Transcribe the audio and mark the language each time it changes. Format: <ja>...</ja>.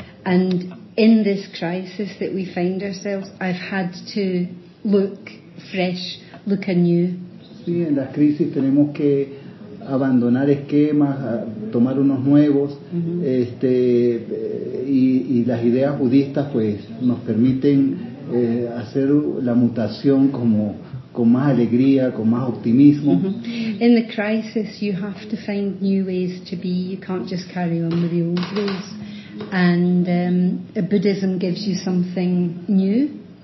<en>And in this crisis that we find ourselves, I've had to look fresh, look anew.</en> <es>Sí, en las crisis tenemos que abandonar esquemas, tomar unos nuevos, mm-hmm. Y las ideas budistas pues nos permiten hacer la mutación como con más alegría, con más optimismo.</es> <en>In the crisis you have to find new ways to be, you can't just carry on with the old ways, and Buddhism gives you something new</en>